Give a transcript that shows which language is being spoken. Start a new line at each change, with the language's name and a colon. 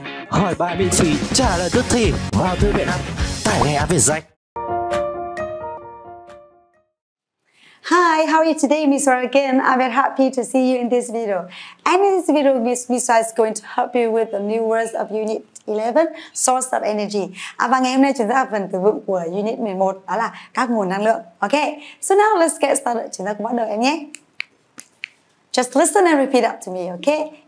Vietnamese: Hỏi bài miễn phí, trả lời tức thì vào thư viện app, tải ngay áp về danh.
English: Hi, how are you today, Miss Ra again? I'm very happy to see you in this video. And in this video, Miss Ra is going to help you with the new words of Unit 11, Source of Energy.
Vietnamese: Và ngày hôm nay chúng ta học phần từ vựng của Unit 11, đó là các nguồn năng lượng.
English: Okay, so now let's get started.
Vietnamese: Chúng ta cùng bắt đầu em nhé.
English: Just listen and repeat up to me, okay?